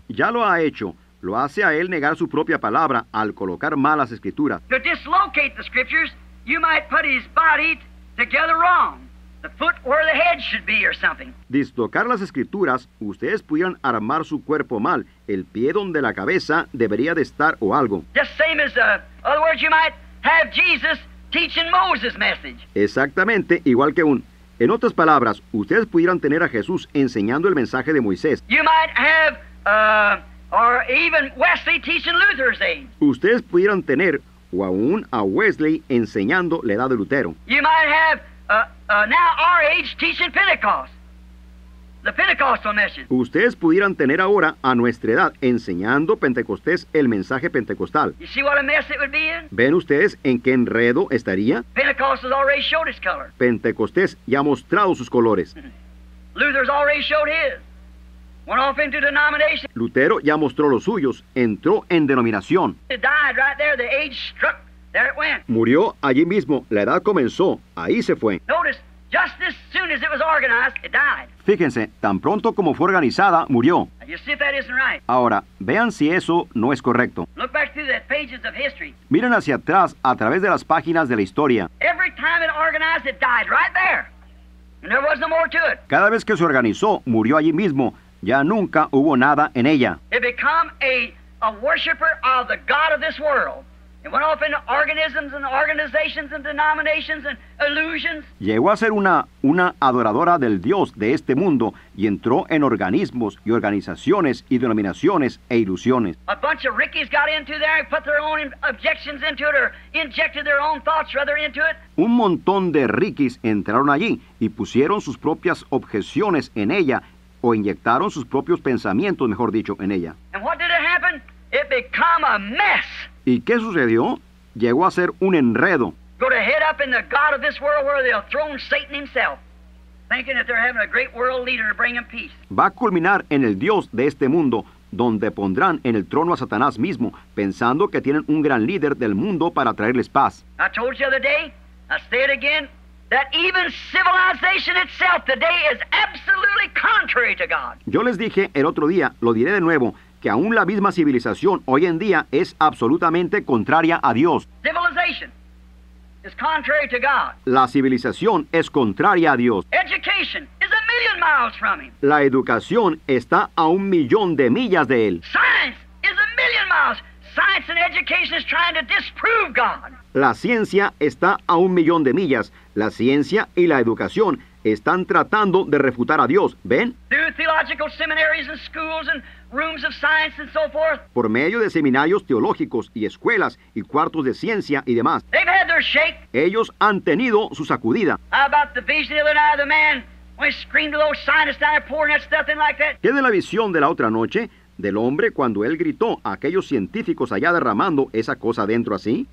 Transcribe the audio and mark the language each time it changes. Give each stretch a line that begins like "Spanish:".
Spanish: Ya lo ha hecho. Lo hace a él negar su propia palabra al colocar malas escrituras.
English: To dislocate the scriptures, you might put his body together wrong. The foot where the head should be or something.
Spanish: Dislocar las escrituras, ustedes pudieran armar su cuerpo mal. El pie donde la cabeza debería de estar o algo.
English: Just same as, other words, you might have Jesus teaching Moses' message.
Spanish: Exactamente, igual que un... En otras palabras, ustedes pudieran tener a Jesús enseñando el mensaje de Moisés.
English: You might have, or even Wesley teaching Luther's age.
Spanish: Ustedes pudieran tener, o aún a Wesley enseñando la edad de Lutero.
English: You might have, now our age teaching Pentecost. The Pentecostal message.
Spanish: Ustedes pudieran tener ahora a nuestra edad enseñando Pentecostés el mensaje pentecostal.
English: You see what a mess it would be in?
Spanish: ¿Ven ustedes en qué enredo estaría?
English: Pentecost has already showed his color.
Spanish: Pentecostés ya ha mostrado sus colores.
English: Luther's already showed his. Went off into denomination.
Spanish: Lutero ya mostró los suyos. Entró en denominación.
English: It died right there. The age struck. There it went.
Spanish: Murió allí mismo. La edad comenzó. Ahí se fue.
English: Notice. Just as soon as it was organized, it died.
Spanish: Fíjense, tan pronto como fue organizada, murió.
English: Now you see if that isn't right.
Spanish: Ahora, vean si eso no es correcto.
English: Look back through the pages of history.
Spanish: Miren hacia atrás, a través de las páginas de la historia.
English: Every time it organized, it died right there. And there was no more to it.
Spanish: Cada vez que se organizó, murió allí mismo. Ya nunca hubo nada en ella.
English: It became a worshiper of the God of this world. It went off into organisms and organizations and denominations and illusions.
Spanish: Llegó a ser una adoradora del Dios de este mundo y entró en organismos y organizaciones y denominaciones e ilusiones.
English: A bunch of Rickies got into there and put their own objections into it or injected their own thoughts rather into it.
Spanish: Un montón de Rickies entraron allí y pusieron sus propias objeciones en ella o inyectaron sus propios pensamientos, mejor dicho, en ella.
English: And what did it happen? It became a mess.
Spanish: ¿Y qué sucedió? Llegó a ser un enredo.
English: Go to head up in the God of this world where they'll throne Satan himself, thinking that they're having a great world leader to bring him peace.
Spanish: Va a culminar en el Dios de este mundo, donde pondrán en el trono a Satanás mismo, pensando que tienen un gran líder del mundo para traerles paz.
English: I told you the other day, I say it again, that even civilization itself today is absolutely contrary to God.
Spanish: Yo les dije el otro día, lo diré de nuevo, que aún la misma civilización hoy en día es absolutamente contraria a Dios.
English: Civilization is contrary to God.
Spanish: La civilización es contraria a Dios.
English: Education is a million miles from him.
Spanish: La educación está a un millón de millas de él.
English: Science is a million miles. Science and education is trying to disprove God.
Spanish: La ciencia está a un millón de millas. La ciencia y la educación están tratando de refutar a Dios. ¿Ven?
English: Through theological seminaries and schools and rooms of science and so forth.
Spanish: Por medio de seminarios teológicos y escuelas y cuartos de ciencia y demás.
English: They've had their shake.
Spanish: Ellos han tenido su sacudida.
English: How about the vision the other night of the man when he screamed to those scientists down there pouring that stuff in like that?
Spanish: ¿Qué de la visión de la otra noche del hombre cuando él gritó a aquellos científicos allá derramando esa cosa dentro así?